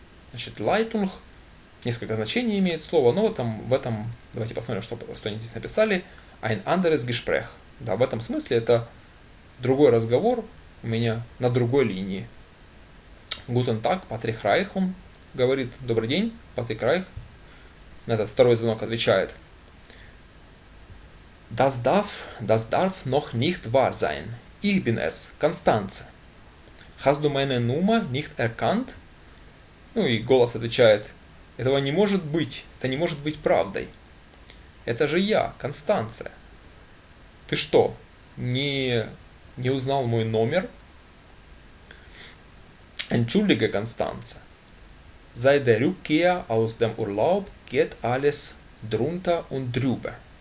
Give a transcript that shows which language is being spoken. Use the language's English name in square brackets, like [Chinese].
[Russian] Значит, Leitung, несколько значений имеет слово, но там в этом, давайте посмотрим, что они здесь написали, [German] ein anderes Gespräch. [Russian] Да, в этом смысле это другой разговор у меня на другой линии. [German] Guten Tag, [Russian] Patrick Reich, он говорит, добрый день, Patrick Reich. На этот второй звонок отвечает. [German] Das darf noch nicht wahr sein. Ich bin es, Constanze. Hast du meine Nummer nicht erkannt? [Russian] Ну и голос отвечает, этого не может быть, это не может быть правдой. Это же я, Констанция. Ты что, не узнал мой номер? [German] Entschuldige, Constanze. Seit der Rückkehr aus dem Urlaub geht alles drunter und drüber.